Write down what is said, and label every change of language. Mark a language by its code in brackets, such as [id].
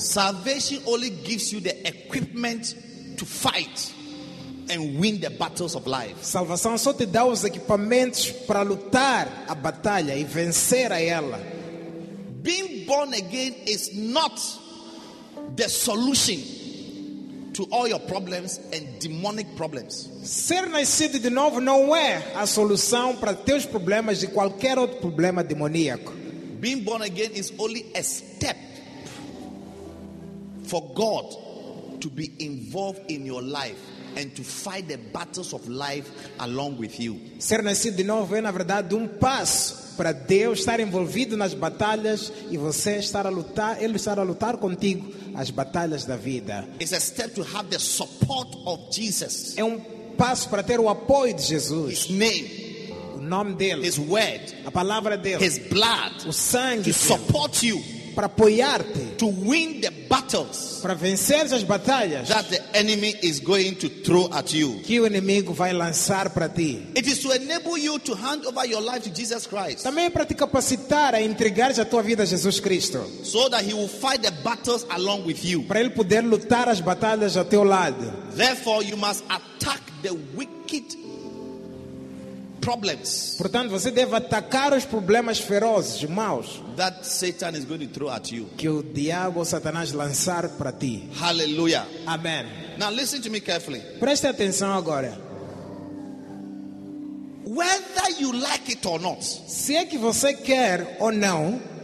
[en] Salvation only gives you the equipment to fight and win the battles of life. [pt] Salvação só te dá os equipamentos para lutar a batalha e vencer a ela. [en] Being born again is not the solution to all your problems and demonic problems. [pt] Ser nascido de novo não é a solução para teus problemas e qualquer outro problema demoníaco. [en] Being born again is only a step for God to be involved in your life and to fight the battles of life along with you. [pt] Ser nascido de novo é, na verdade, passo para Deus estar envolvido nas batalhas e você estar a lutar, Ele estar a lutar contigo as batalhas da vida. [en] It's a step to have the support of Jesus. [pt] É passo para ter o apoio de Jesus. [en] His name. [pt] O nome dele. [en] His word. [pt] A palavra dele. [en] His blood. [pt] O sangue [en] to [pt] dele. [en] Support you. [pt] Para apoiar-te. [en] To win the battles. [pt] Para vencer as batalhas. [en] That the enemy is going to throw at you. [pt] Que o inimigo vai lançar para ti. [en] It is to enable you to hand over your life to Jesus Christ. [pt] Também para te capacitar a entregar a tua vida a Jesus Cristo. [en] So that he will fight the battles along with you. [pt] Para ele poder lutar as batalhas ao teu lado. [en] Therefore you must attack the wicked problems. [pt] Portanto, você deve atacar os problemas ferozes, maus, [en] that Satan is going to throw at you. [pt] Que o diabo, Satanás lançar para ti. [en] Hallelujah. Amen. Now listen to me carefully. [pt] Preste atenção agora. [en] Whether you like it or not, [pt] se é que você quer ou não,